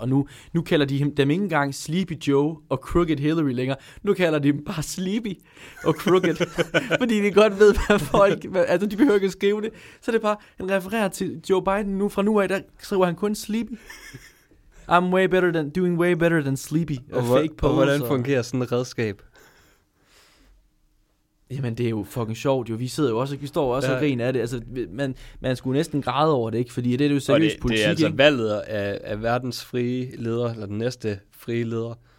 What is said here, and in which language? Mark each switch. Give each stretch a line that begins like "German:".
Danish: Og nu kalder de dem ikke engang Sleepy Joe og Crooked Hillary længere. Nu kalder de dem bare Sleepy og Crooked. Fordi de godt ved, hvad folk... Altså, de behøver ikke at skrive det. Så det er bare, han refererer til Joe Biden nu. Fra nu af, der skriver han kun Sleepy.
English: I'm way better than, doing way better than Sleepy.
Danish: Og hvordan fungerer sådan et redskab? Jamen, det er jo fucking sjovt. Jo. Vi sidder jo også, vi står også og griner af det. Altså, man skulle næsten græde over det, ikke? Fordi det er jo seriøst politik. Det er ikke? Altså valget af verdens frie leder, eller den næste frie leder.